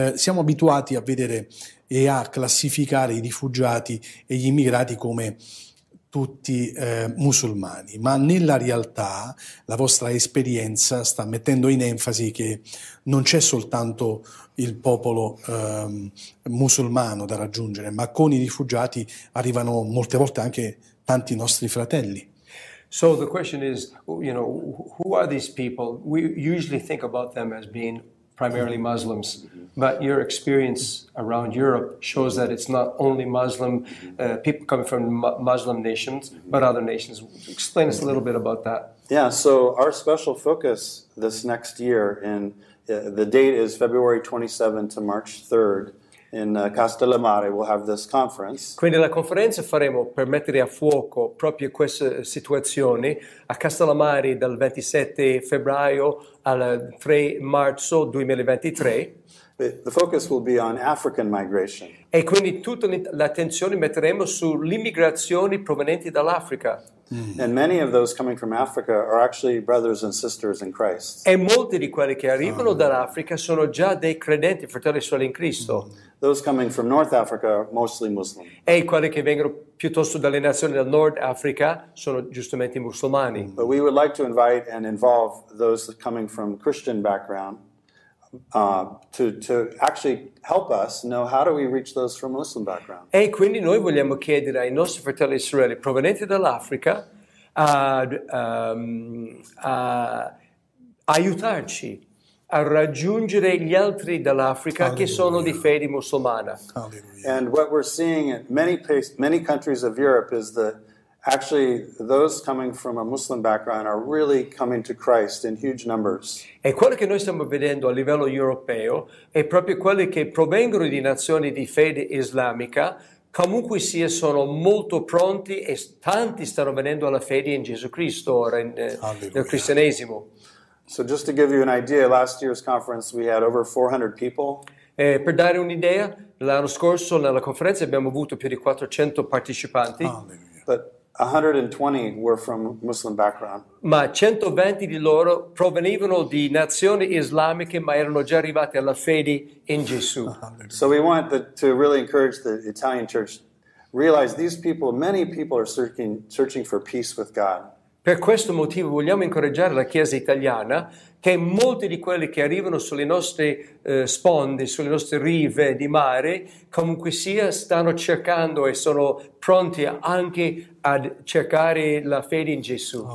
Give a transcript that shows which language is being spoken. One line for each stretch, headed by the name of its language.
Italian: Siamo abituati a vedere e a classificare i rifugiati e gli immigrati come tutti musulmani, ma nella realtà la vostra esperienza sta mettendo in enfasi che non c'è soltanto il popolo musulmano da raggiungere, ma con i rifugiati arrivano molte volte anche tanti nostri fratelli.
English: So the question is, you know, who are these people? We usually think about them as being primarily Muslims, but your experience around Europe shows that it's not only Muslim people coming from Muslim nations, but other nations. Explain us a little bit about that. Yeah, so our special focus this next year, and the date is February 27 to March 3rd, in Castellammare, we'll have this conference.
Italian: Quindi la conferenza faremo per mettere a fuoco proprio queste situazioni a Castellammare dal 27 febbraio al 3 marzo 2023.
English: The focus will be on African migration.
Italian: E quindi tutta l'attenzione metteremo sull'immigrazione provenienti dall'Africa. Mm.
English: And many of those coming from Africa are actually brothers and sisters in Christ.
Italian: E molti di quelli che arrivano dall'Africa sono già dei credenti, fratelli e sorelle in Cristo.
English: Those coming from North Africa are mostly Muslim.
Italian: E quelli che vengono piuttosto dalle nazioni del Nord Africa sono giustamente musulmani.
English: But we would like to invite and involve those coming from Christian background to actually help us know how do we reach those from Muslim background.
Italian: E quindi noi vogliamo chiedere ai nostri fratelli israeliani provenienti dall'Africa aiutarci a raggiungere gli altri dall'Africa. Alleluia. Che sono di fede musulmana. Alleluia.
English: And what we're seeing in many countries of Europe is that actually those coming from a Muslim background are really coming to Christ in huge numbers.
Italian: E quello che noi stiamo vedendo a livello europeo è proprio quelli che provengono di nazioni di fede islamica, comunque sia, sono molto pronti e tanti stanno venendo alla fede in Gesù Cristo ora nel cristianesimo.
English: So just to give you an idea, last year's conference we had over 400 people.
Italian: Per dare un'idea, l'anno scorso nella conferenza abbiamo avuto più di 400 partecipanti.
English: Oh, but 120 were from Muslim background.
Italian: Ma 120 di loro provenivano di nazioni islamiche, ma erano già arrivati alla fede in Gesù.
English: So we want to really encourage the Italian church, realize these people, many people are searching for peace with God.
Italian: Per questo motivo vogliamo incoraggiare la Chiesa italiana che molti di quelli che arrivano sulle nostre sponde, sulle nostre rive di mare, comunque sia, stanno cercando e sono pronti anche a cercare la fede in Gesù.